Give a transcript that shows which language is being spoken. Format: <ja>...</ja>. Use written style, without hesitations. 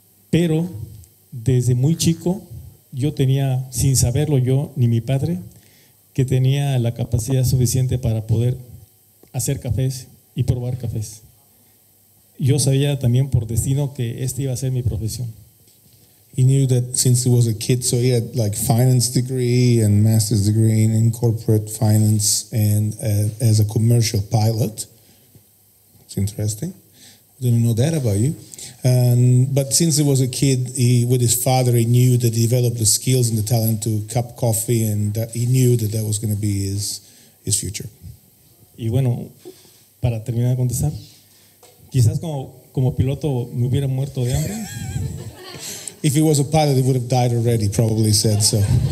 <es>Pero desde muy chico yo tenía, sin saberlo yo ni mi padre, que tenía la capacidad suficiente para poder hacer cafés y probar cafés. Yo sabía también por destino que esta iba a ser mi profesión.</es> <en>He knew that since he was a kid, so he had like finance degree and master's degree in corporate finance and as a commercial pilot. It's interesting. Didn't know that about you. But since he was a kid, with his father, he knew that he developed the skills and the talent to cup coffee, and that he knew that that was going to be his future.</en> <es>Y bueno, para terminar de contestar, quizás como piloto me hubiera muerto de hambre.</es> <en>If he was a pilot, he would have died already, probably said so.</en>